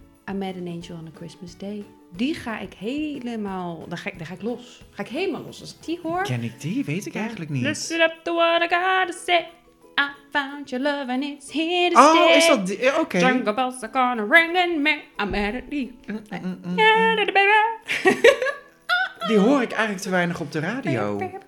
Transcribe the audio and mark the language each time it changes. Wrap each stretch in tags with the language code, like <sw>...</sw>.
<nl>I Met an Angel on a Christmas Day. Die ga ik helemaal, daar ga ik los. Ga ik helemaal los als ik die hoor. Ken ik die? Weet ik eigenlijk niet.</nl> <en>Listen up to what I gotta say. I found your love and it's here to stay.</en> <nl>Oh, is dat die? Oké. Okay.</nl> <en>Jungle bells are gonna ring and me. I met an angel. Yeah, baby.</en> <nl>Die hoor ik eigenlijk te weinig op de radio.</nl>